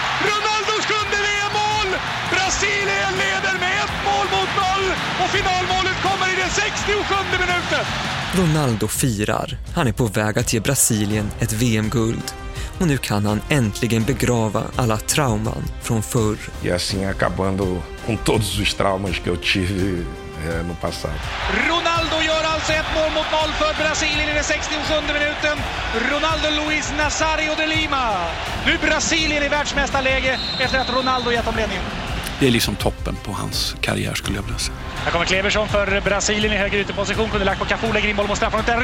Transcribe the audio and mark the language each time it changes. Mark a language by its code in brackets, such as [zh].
[sv] Ronaldos sjunde VM-mål. Brasilien leder med ett mål mot noll. Och finalmålet kommer i den 67:e minuten. Ronaldo firar. Han är på väg att ge Brasilien ett VM-guld. Och nu kan han äntligen begrava alla trauman från förr. [pt] E assim acabando com todos os traumas que eu tive no passado. [sv] Ronaldo gör alltså ett mål mot noll för Brasilien i den 67:e minuten. Ronaldo Luiz Nazário de Lima. Nu Brasilien i världsmästarläge efter att Ronaldo gett om ledningen. Det är liksom toppen på hans karriär skulle jag vilja säga. Här kommer Kleberson för Brasilien i höger ytterposition. Kunde lagt på Cafu, lägger in bollen mot straffområdet.